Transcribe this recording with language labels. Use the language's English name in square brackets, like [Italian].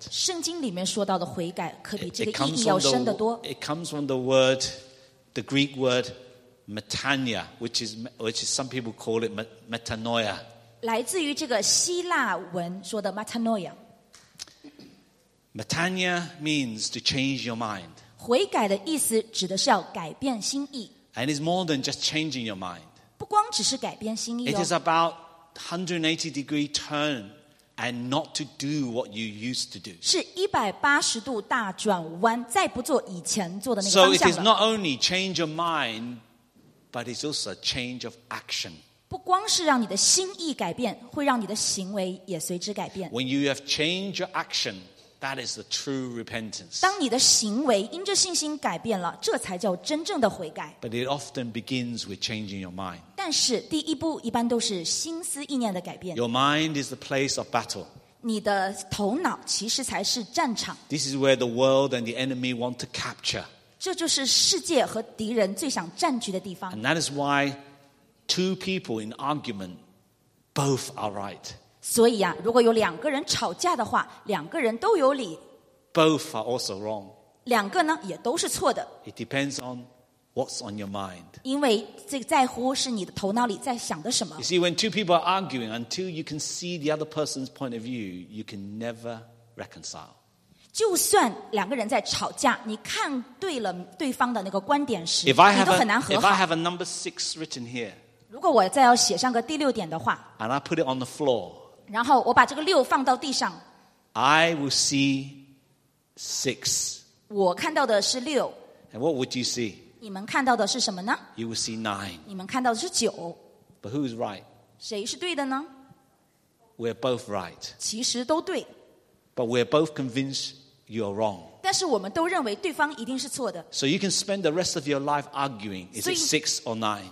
[Chinese] 圣经里面说到的悔改，可比这个意义要深得多。 [English] It comes from the word, the Greek word metanoia, which is some people call it metanoia. [Chinese] 来自于这个希腊文说的 metanoia. [English] Metanoia means to change your mind. [Chinese] 悔改的意思指的是要改变心意。 [English] And it's more than just changing your mind. [Chinese] 不光只是改变心意哦。 [English] It is about 180 degree turn and not to do what you used to do. [Chinese] 是180度大转弯，再不做以前做的那个方向了。 [English] So it is not only change your mind, but it's also a change of action. [Chinese] 不光是让你的心意改变，会让你的行为也随之改变。 [English] When you have changed your action, that is the true repentance. [Chinese] 当你的行为因着信心改变了，这才叫真正的悔改。 [English] But it often begins with changing your mind. [Chinese] 但是第一步一般都是心思意念的改变。 [English] Your mind is the place of battle. [Chinese] 你的头脑其实才是战场。 [English] This is where the world and the enemy want to capture. [Chinese] 这就是世界和敌人最想占据的地方。 [English] And that is why. Two people in argument, both are right. [Chinese] 所以啊，如果有两个人吵架的话，两个人都有理。 [English] Both are also wrong. [Chinese] 两个呢，也都是错的。 [English] It depends on what's on your mind. [Chinese] 因为最在乎是你的头脑里在想的什么。 [English] You see, when two people are arguing, until you can see the other person's point of view, you can never reconcile. [Chinese] 就算两个人在吵架，你看对了对方的那个观点时，你都很难和好。 [English] If I have a number six written here. [Chinese] 如果我再要写上个第六点的话 [English] And I put it on the floor, [Chinese] 然后我把这个六放到地上 [English] I will see six [Chinese] 我看到的是六 [English] And what would you see? [Chinese] 你们看到的是什么呢 [English] You will see nine [Chinese] 你们看到的是九 [English] But who is right? [Chinese] 谁是对的呢 [English] We're both right [Chinese] 其实都对 [English] But we're both convinced you're wrong [Chinese] 但是我们都认为对方一定是错的。 [English] So you can spend the rest of your life arguing, is it six or nine?